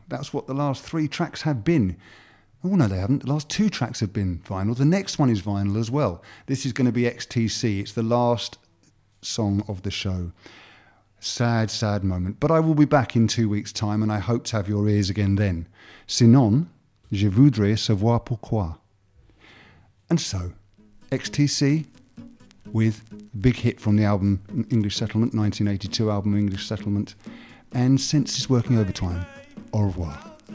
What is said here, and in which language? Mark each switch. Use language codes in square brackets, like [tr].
[en] That's what the last three tracks have been. Oh, no, they haven't. The last two tracks have been vinyl. The next one is vinyl as well. This is going to be XTC. It's the last song of the show. Sad, sad moment. But I will be back in 2 weeks' time, and I hope to have your ears again then. [fr] Sinon, je voudrais savoir pourquoi. [en] And so, XTC with a big hit from the album English Settlement, 1982 album English Settlement, and since it's working overtime, [fr] au revoir.